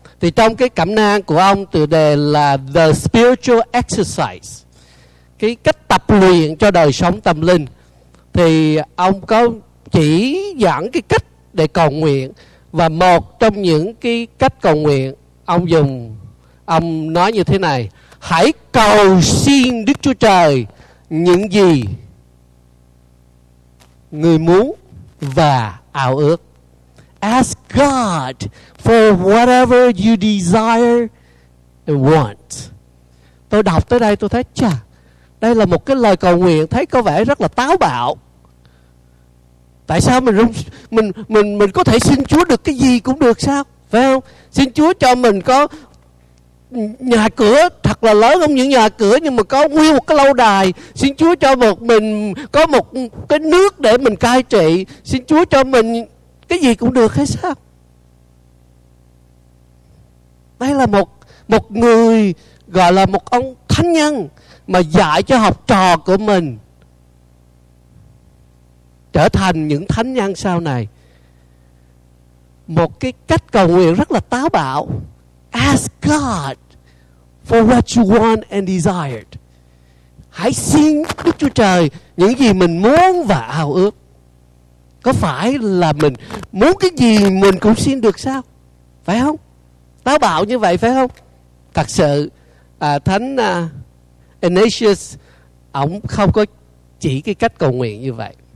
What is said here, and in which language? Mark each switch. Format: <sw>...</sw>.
<vi>Thì trong cái cẩm nang của ông tựa đề là The Spiritual Exercise, cái cách tập luyện cho đời sống tâm linh, thì ông có chỉ dẫn cái cách để cầu nguyện. Và một trong những cái cách cầu nguyện ông dùng, ông nói như thế này: hãy cầu xin Đức Chúa Trời những gì người muốn và ao ước.</vi> <en>Ask God for whatever you desire and want.</en> <vi>Tôi đọc tới đây tôi thấy chà, đây là một cái lời cầu nguyện thấy có vẻ rất là táo bạo. Tại sao mình có thể xin Chúa được cái gì cũng được sao? Phải không? Xin Chúa cho mình có nhà cửa thật là lớn, không những nhà cửa nhưng mà có nguyên một cái lâu đài. Xin Chúa cho một mình có một cái nước để mình cai trị. Xin Chúa cho mình cái gì cũng được hay sao? Đây là một người gọi là một ông thánh nhân mà dạy cho học trò của mình trở thành những thánh nhân sau này. Một cái cách cầu nguyện rất là táo bạo.</vi> <en>Ask God for what you want and desired.</en> <vi>Hãy xin Đức Chúa Trời những gì mình muốn và ao ước. Có phải là mình muốn cái gì mình cũng xin được sao? Phải không? Táo bạo như vậy phải không? Thật sự Thánh Ignatius ổng không có chỉ cái cách cầu nguyện như vậy.</vi>